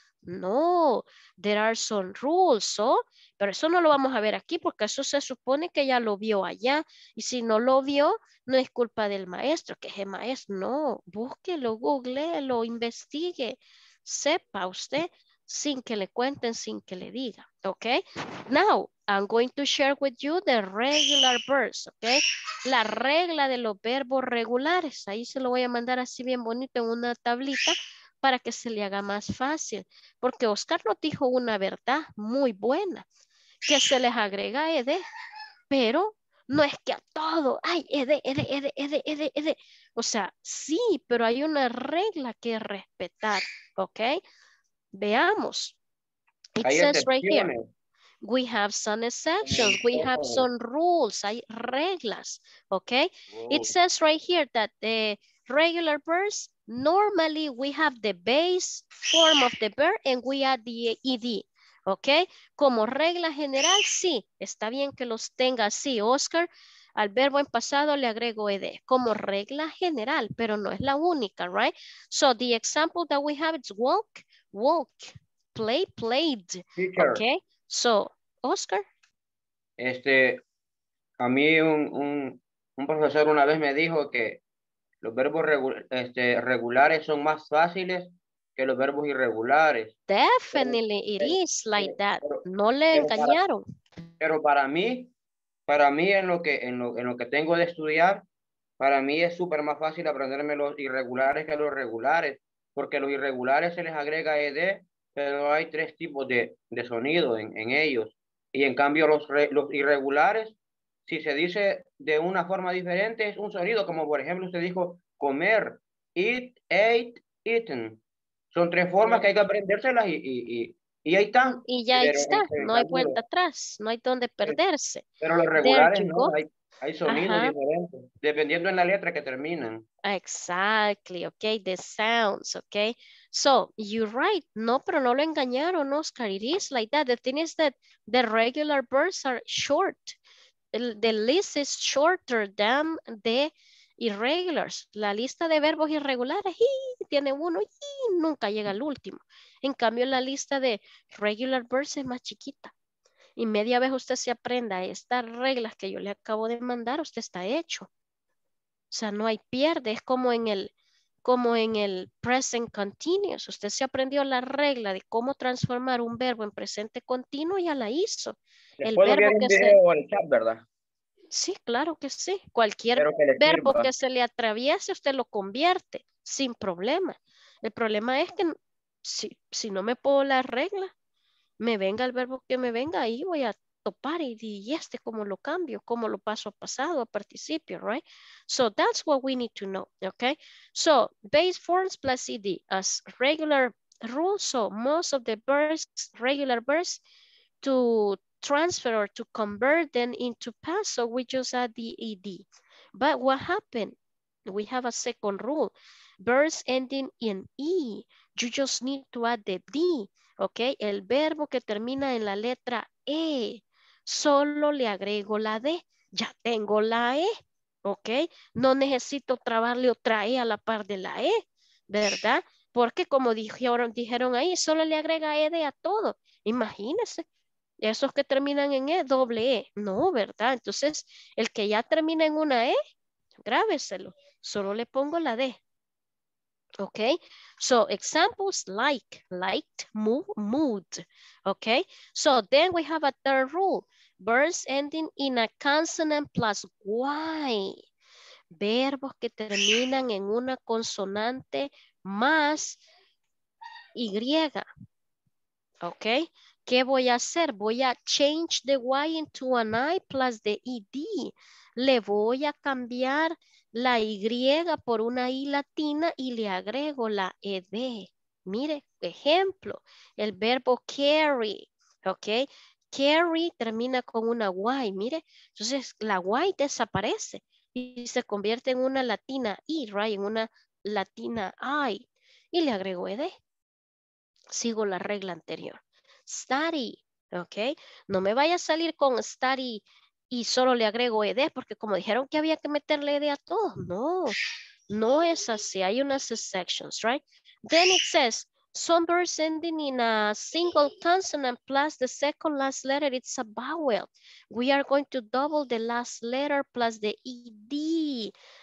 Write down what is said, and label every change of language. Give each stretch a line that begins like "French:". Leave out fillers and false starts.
English: No, there are some rules, ¿so?
Spanish: Pero eso no lo vamos a ver aquí porque eso se supone que ya lo vio allá. Y si no lo vio, no es culpa del maestro, que es el maestro. No, búsquelo, googleelo, investigue, sepa usted sin que le cuenten, sin que le diga, ¿ok?
English: Now, I'm going to share with you the regular verbs, ¿ok?
Spanish: La regla de los verbos regulares. Ahí se lo voy a mandar así bien bonito en una tablita para que se le haga más fácil. Porque Oscar nos dijo una verdad muy buena, que se les agrega ed, pero no es que a todo, ¡ay, ed! O sea, sí, pero hay una regla que respetar, ¿ok? Veamos.
English: It says right here. We have some exceptions. We have some rules.
Spanish: Hay reglas.
English: Okay. It says right here that the regular verbs, normally we have the base form of the verb and we add the ed.
Spanish: Okay. Como regla general, sí. Está bien que los tenga así, Oscar. Al verbo en pasado le agrego ed. Como regla general, pero no es la única, right?
English: So the example that we have is walk. Walk, play, played. Teacher. Okay, so Oscar.
Spanish: A mí un profesor una vez me dijo que los verbos regulares son más fáciles que los verbos irregulares.
English: Definitely, it is like that.
Spanish: Pero, no le engañaron. Pero para mí en lo que tengo de estudiar, para mí es súper más fácil aprenderme los irregulares que los regulares. Porque los irregulares se les agrega ED, pero hay tres tipos de sonido en ellos. Y en cambio los irregulares, si se dice de una forma diferente, es un sonido. Como por ejemplo usted dijo comer, eat, ate, eaten. Son tres formas que hay que aprendérselas y ahí está. Y ya está, no hay vuelta atrás, no hay donde perderse. Pero los regulares no, Hay sonidos diferentes, dependiendo en la letra que terminan.
English: Exactly, okay, the sounds, okay. So, you're right, no,
Spanish: pero no lo engañaron,
English: Oscar, it is like that. The thing is that the regular verbs are short. The list is shorter than the irregulars.
Spanish: La lista de verbos irregulares, y tiene uno y nunca llega al último. En cambio, la lista de
English: regular verbs
Spanish: es más chiquita. Y media vez usted se aprenda estas reglas que yo le acabo de mandar, usted está hecho. O sea, no hay pierde. Es como en el present continuous. Usted se aprendió la regla de cómo transformar un verbo en presente continuo y ya la hizo. Después el verbo que se... o el chat, ¿verdad? Sí, claro que sí. Cualquier verbo que se le atraviese, usted lo convierte sin problema. El problema es que si no me puedo la regla, me venga el verbo que me venga, ahí voy a topar y este cómo lo cambio, cómo lo paso a pasado, a participio, right?
English: So that's what we need to know, okay? So base forms plus ed as regular rule. So most of the verbs, regular verbs, to transfer or to convert them into past, so we just add the ed. But what happened? We have a second rule. Verbs ending in e, you just need to add the d.
Spanish: Okay, el verbo que termina en la letra E, solo le agrego la D, ya tengo la E, ok, no necesito trabarle otra E a la par de la E, ¿verdad? Porque como dijeron ahí, solo le agrega ED a todo, imagínense, esos que terminan en E, doble E, no, ¿verdad? Entonces, el que ya termina en una E, grábeselo, solo le pongo la D.
English: Okay, so examples like, liked, mood, okay? So then we have a third rule, verbs ending in a consonant plus Y.
Spanish: Verbos que terminan en una consonante más Y, okay? ¿Qué voy a hacer? Voy a
English: change the Y into an I plus the ED.
Spanish: Le voy a cambiar la Y por una I latina y le agrego la ED. Mire, ejemplo, el verbo carry, ¿ok? Carry termina con una Y, mire. Entonces, la Y desaparece y se convierte en una latina I, right? En una latina I. Y le agrego ED. Sigo la regla anterior. Study, ¿ok? No me vaya a salir con study y solo le agrego ED, porque como dijeron que había que meterle ED a todos. No, no es así. Hay unas exceptions, right?
English: Then it says, some verbs ending in a single consonant plus the second last letter, it's a vowel. We are going to double the last letter plus the ED.